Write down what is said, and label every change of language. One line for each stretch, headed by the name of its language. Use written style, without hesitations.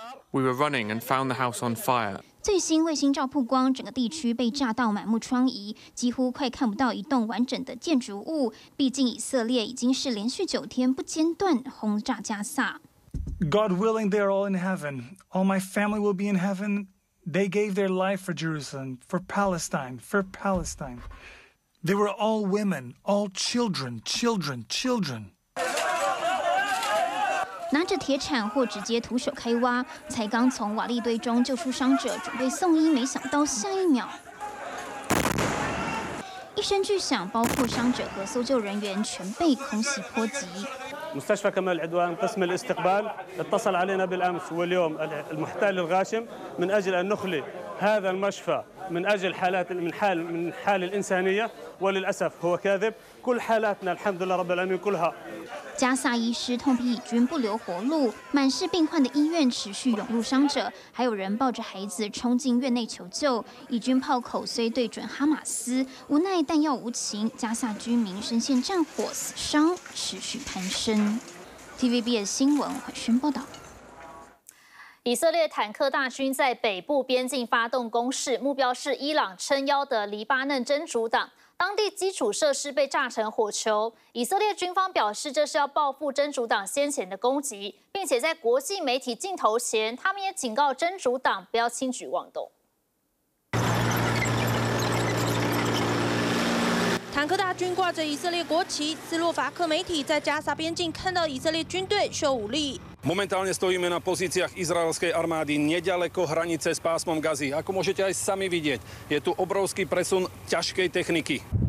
English: We were running and found the house on fire.
Chinese: 最新卫星照曝光，整个地区被炸到满目疮痍，几乎快看不到一栋完整的建筑物。毕竟以色列已经是连续九天不间断轰炸加萨。
English: God willing, they're all in heaven. All my family will be in heaven. They gave their life for Jerusalem, for Palestine, for Palestine. They were all women, all children, children, children.
Chinese: 拿着铁铲或直接徒手开挖，才刚从瓦砾堆中救出伤者，准备送医，没想到下一秒，一声巨响，包括伤者和搜救人员全被空袭波及。
Arabic: مستشفى كمال العدوان قسم الاستقبال اتصل علينا بالأمس واليوم المحتل الغاشم من أجل أن نخلي هذا المشفى من أجل حالات من حال الإنسانية وللأسف هو كاذب كل حالاتنا الحمد لله رب العالمين كلها.
Chinese: 加萨医师痛批以军不留活路，满是病患的医院持续涌入伤者，还有人抱着孩子冲进院内求救。以军炮口虽对准哈马斯，无奈弹药无情，加萨居民深陷战火，死伤持续攀升。 TVBS 新闻华讯报道。以色列坦克大军在北部边境发动攻势，目标是伊朗撑腰的黎巴嫩真主党。当地基础设施被炸成火球，以色列军方表示这是要报复真主党先前的攻击，并且在国际媒体镜头前，他们也警告真主党不要轻举妄动。坦克大军挂着以色列国旗，斯洛伐克媒体在加萨边境看到以色列军队秀武力。
Slovak: Momentálne stojíme na pozíciách izraelskej armády nedaleko hranice s pásmom Gazy. Ako môžete aj sami vidieť, je tu obrovský presun ťažkej techniky.